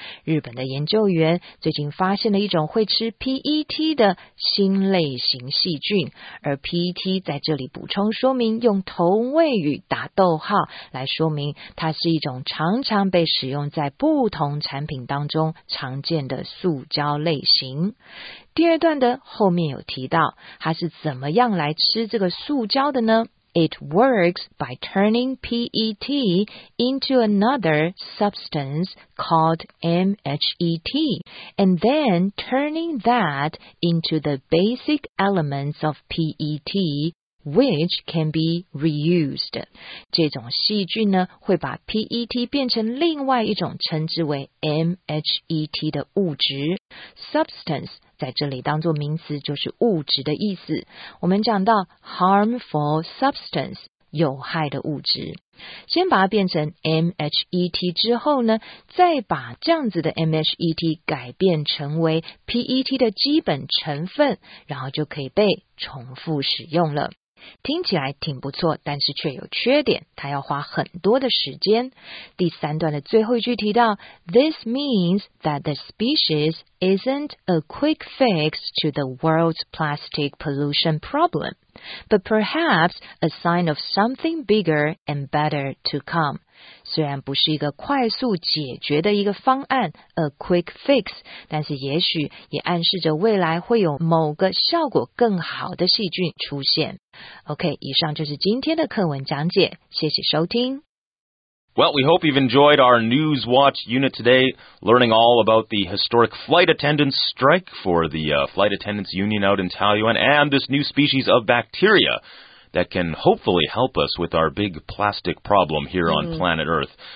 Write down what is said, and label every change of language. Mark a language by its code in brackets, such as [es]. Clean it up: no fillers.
[zh] 日本的研究员最近发现了一种会吃 PET 的新类型细菌，而 PET 在这里补充说明用同位语打逗号来说明它是一种常常被使用在不同产品当中常见的塑胶类型。第二段的后面有提到它是怎么样来吃这个塑胶的呢？ [en] It works by turning PET into another substance called MHET and then turning that into the basic elements of PET. Which can be reused. [zh] 这种细菌呢，会把 PET 变成另外一种称之为 MHET 的物质。 Substance 在这里当作名词就是物质的意思。我们讲到 [en] harmful substance, [zh] 有害的物质。先把它变成 MHET 之后呢，再把这样子的 MHET 改变成为 PET 的基本成分，然后就可以被重复使用了。听起来挺不错，但是却有缺点，它要花很多的时间。第三段的最后一句提到 [en] This means that the species isn't a quick fix to the world's plastic pollution problem, but perhaps a sign of something bigger and better to come. [zh] 虽然不是一个快速解决的一个方案 [en] a quick fix， [zh] 但是也许也暗示着未来会有某个效果更好的细菌出现。 OK， 以上就是今天的课文讲解，谢谢收听。 [en] Well, we hope you've enjoyed our News Watch unit today, learning all about the historic flight attendants strike for the flight attendants union out in Taoyuan and this new species of bacteria. That can hopefully help us with our big plastic problem here on planet Earth.